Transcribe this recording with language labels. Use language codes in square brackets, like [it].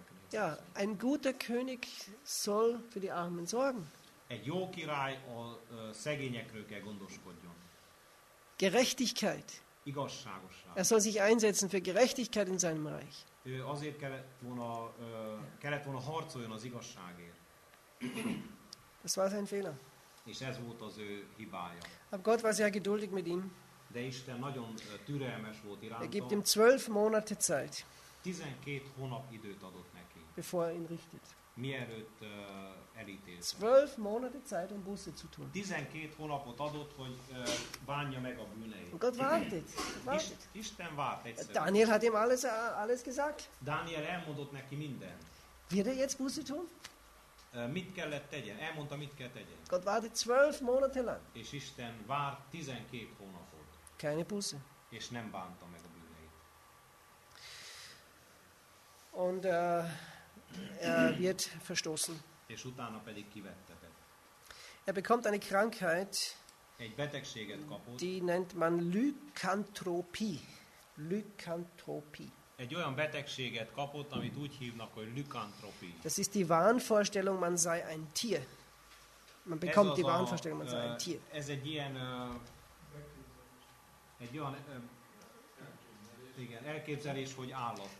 [de] Ja, ein guter König soll für die Armen sorgen. [hu] Egy jó király a szegényekről kell gondoskodjon. [de] Gerechtigkeit. [hu] Igazságosság. [de] Er soll sich einsetzen für Gerechtigkeit in seinem Reich. [hu] Ő azért kellett volna harcoljon az igazságért. [de] Das war sein Fehler. [hu] És ez volt az ő hibája. [de] Aber Gott war sehr geduldig mit ihm. [hu] De Isten nagyon türelmes volt iránta. [de] Er gibt ihm 12 Monate Zeit. [hu] 12 hónap időt adott neki. [de] Bevor er ihn richtet. [hu] Mielőtt elítélte. [de] 12 Monate Zeit, um Buße zu tun. [hu] 12 hónapot adott, hogy bánja meg a bűneit. [de] Gott wartet. [hu] Isten várt egyszerűen. [de] Daniel hat ihm alles gesagt. [hu] Daniel elmondott neki mindent. [de] Wird er jetzt Buße tun? [hu] Mit kellett tegyen? Elmondta, mit kell tegyen. [de] Gott wartet 12 Monate lang. [hu] És Isten vár 12 hónapot. [de] Keine Buße. [hu] És nem bánta meg a bűneit. [de] Und er wird verstoßen. [hu] És utána pedig kivettetett. [de] Er bekommt eine Krankheit. [hu] Egy betegséget kapott. [de] Die nennt man Lykantropie. Lykantropie. [hu] Egy olyan betegséget kapott, amit úgy hívnak, hogy lykantropie. [de] Das ist die Wahnvorstellung, man sei ein Tier. Man bekommt die Wahnvorstellung, man sei ein Tier. [hu] Ez egy ilyen elképzelés, hogy állat.